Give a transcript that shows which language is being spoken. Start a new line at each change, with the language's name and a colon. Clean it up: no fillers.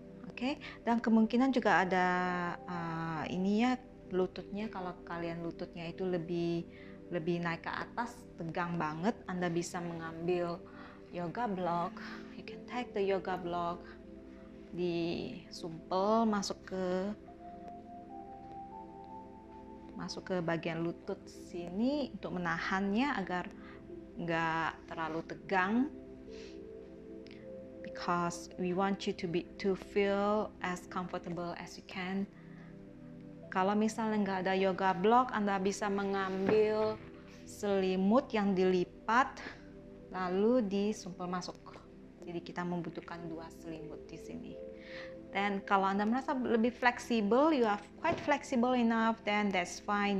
Indonesian: Okay. Dan kemungkinan juga ada ini ya, lututnya, kalau kalian lututnya itu lebih naik ke atas, tegang banget, Anda bisa mengambil yoga block. You can take the yoga block, disumpel masuk ke bagian lutut sini untuk menahannya agar nggak terlalu tegang.
English: Because we want you to feel as comfortable as you can.
Indonesian: Kalau misalnya nggak ada yoga block, Anda bisa mengambil selimut yang dilipat lalu disumpel masuk. Jadi kita membutuhkan dua selimut di sini. Then kalau Anda merasa lebih fleksibel, you are quite flexible enough, then that's fine.